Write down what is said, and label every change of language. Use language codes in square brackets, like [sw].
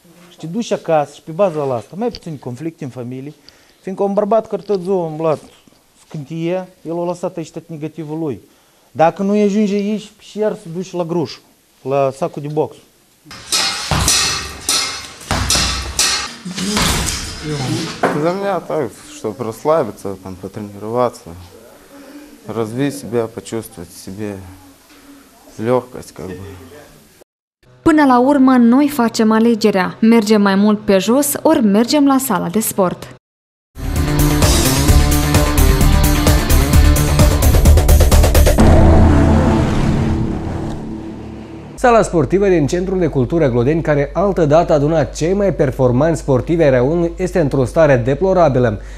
[ro] Și te duci acasă și pe baza la asta, mai puțin conflict în familie, fiindcă un bărbat care tot ziua a luat scântie, el a lăsat aici negativul lui. Dacă nu ajunge aici, și iar se duci la gruș, la sacul de box. [ru] Для меня так, чтобы расслабиться, там, потренироваться, развить себя, почувствовать в себе легкость, как бы. [ro] Până la urmă, noi facem alegerea. Mergem mai mult pe jos, ori mergem la sala de sport. Sala sportivă din Centrul de Cultură Glodeni, care altădată aduna cei mai performanți sportivi ai raionului, este într-o stare deplorabilă.